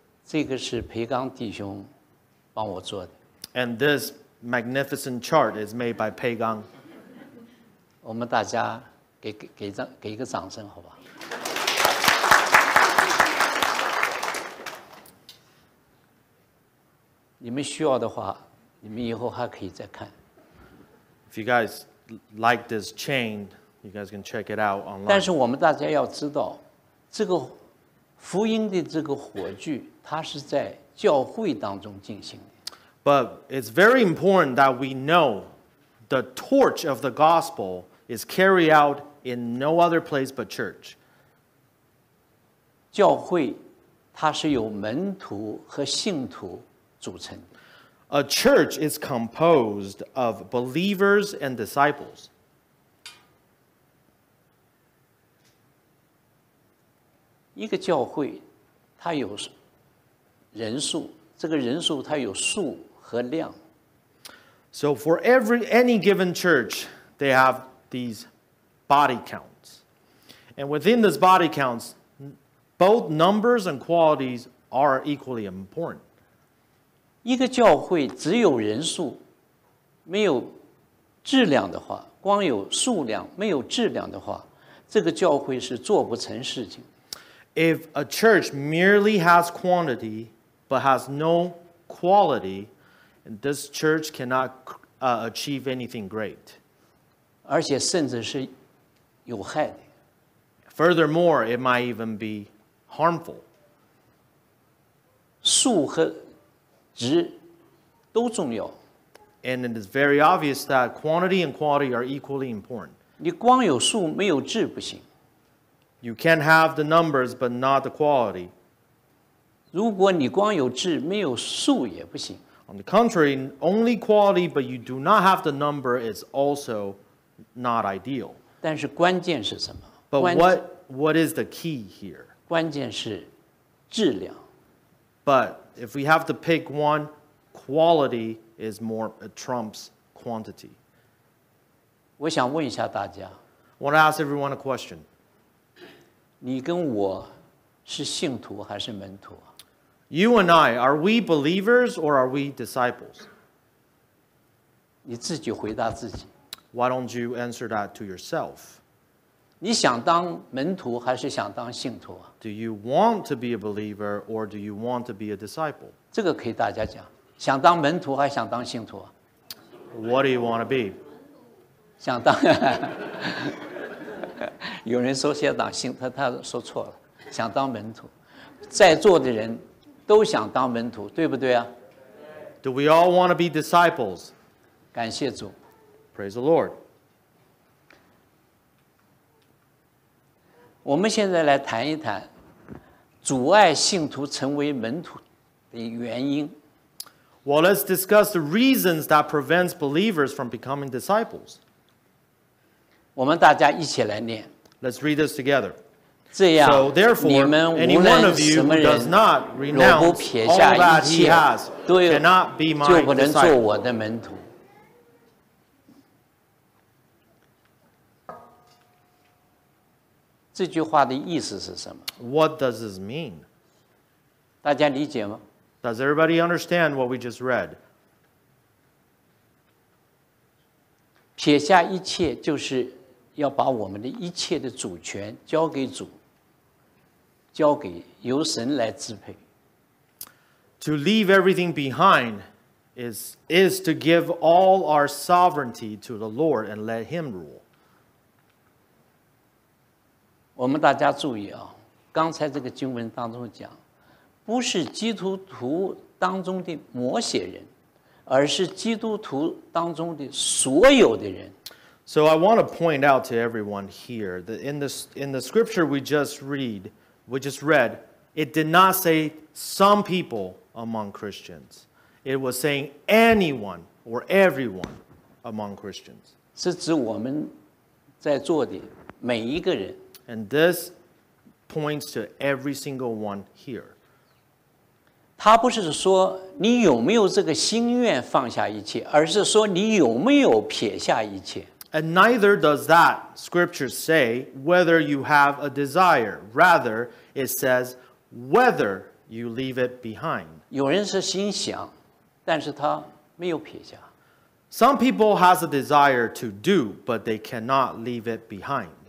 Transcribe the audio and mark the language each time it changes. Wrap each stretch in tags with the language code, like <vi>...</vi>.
<zh>这个是培刚弟兄帮我做的。</zh> <en>And this magnificent chart is made by Pei Gang.</en> <zh>我们大家给一个掌声好吧。你们需要的话,你们以后还可以再看。</zh> <en>If you guys like this chain, you guys can check it out online.</en> <zh>但是我们大家要知道，这个福音的这个火炬，它是在教会当中进行的。</zh> <en>But it's very important that we know the torch of the gospel is carried out in no other place but church.</en> <zh>教会它是由门徒和信徒组成。</zh> <en>A church is composed of believers and disciples.</en> <zh>一个教会它有人数，这个人数它有数和量。</zh> <en>So for any given church, they have these body counts. And within this body counts, both numbers and qualities are equally important.</en> <zh>一个教会只有人数，没有质量的话，光有数量，没有质量的话，这个教会是做不成事情。</zh> <en>If a church merely has quantity, but has no quality, this church cannot achieve anything great.</en> <zh>而且甚至是有害的。</zh> <en>Furthermore, it might even be harmful.</en> <zh>数和值都重要。</zh> <en>And it is very obvious that quantity and quality are equally important.</en> <zh>你光有数没有质不行。</zh> <en>You can't have the numbers, but not the quality.</en> <zh>如果你光有质没有数也不行。</zh> <en>On the contrary, only quality, but you do not have the number, is also not ideal.</en> <zh>但是关键是什么？</zh> <en>But what is the key here?</en> <zh>关键是质量。</zh> <en>But if we have to pick one, quality is more, it trumps quantity.</en> <zh>我想问一下大家。</zh> <en>I want to ask everyone a question.</en> <zh>你跟我是信徒还是门徒？</zh> <en>You and I, are we believers or are we disciples?</en> <zh>你自己回答自己。</zh> <en>Why don't you answer that to yourself?</en> <zh>你想当门徒还是想当信徒？</zh> <en>Do you want to be a believer or do you want to be a disciple?</en> <zh>这个可以大家讲，想当门徒还是想当信徒？</zh> <en>What do you want to be?</en> <zh>想当有人说先当信，他说错了，想当门徒。在座的人都想当门徒，对不对啊？</zh> <en>Do we all want to be disciples?</en> <zh>感谢主。</zh> <en>Praise the Lord.</en> <zh>我们现在来谈一谈阻碍信徒成为门徒的原因。</zh> <en>Well, let's discuss the reasons that prevents believers from becoming disciples.</en> <zh>我们大家一起来念。</zh> <en>Let's read this together.</en> <zh>这样,</zh> <en>so therefore, any one of you who does not renounce all that he has cannot be my disciple.</en> <zh>就不能做我的门徒。这句话的意思是什么?</zh> <en>What does this mean?</en> <zh>大家理解吗?</zh> <en>Does everybody understand what we just read?</en> <zh>撇下一切就是要把我们的一切的主权交给主，交给由神来支配。</zh> <en>To leave everything behind is to give all our sovereignty to the Lord and let Him rule.</en> <zh>我们大家注意啊，刚才这个经文当中讲，不是基督徒当中的某些人，而是基督徒当中的所有的人。</zh> <en>So I want to point out to everyone here that in the scripture we just read, it did not say some people among Christians. It was saying anyone or everyone among Christians.</en> <zh>是指我们在座的每一个人。</zh> <en>And this points to every single one here.</en> <zh>他不是说你有没有这个心愿放下一切，而是说你有没有撇下一切。</zh> <en>And neither does that scripture say whether you have a desire. Rather, it says whether you leave it behind.</en> <zh>有人是心想，但是他没有撇下。</zh> <en>Some people has a desire to do, but they cannot leave it behind.</en>